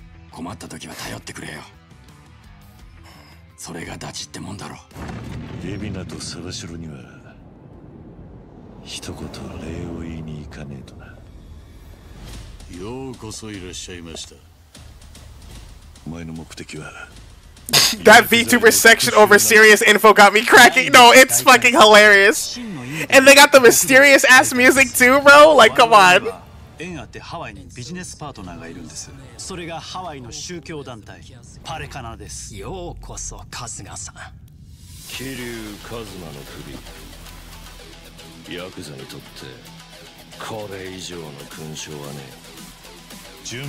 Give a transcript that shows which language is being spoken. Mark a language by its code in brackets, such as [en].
[ja] 困った時は頼ってくれよ。それがダチってもんだろ。デビナとサバシロには一言礼を言いに行かねえとな。ようこそいらっしゃいました。お前の目的は [en] That VTuber section over serious info got me cracking. No, it's fucking hilarious. And they got the mysterious ass music too, bro. Like, come on. [ja] 縁あってハワイにビジネスパートナーがいるんです。それがハワイの宗教団体パレカナです。ようこそカズマさん。キリュウカズマの首。ヤクザにとってこれ以上の勲章はねえ。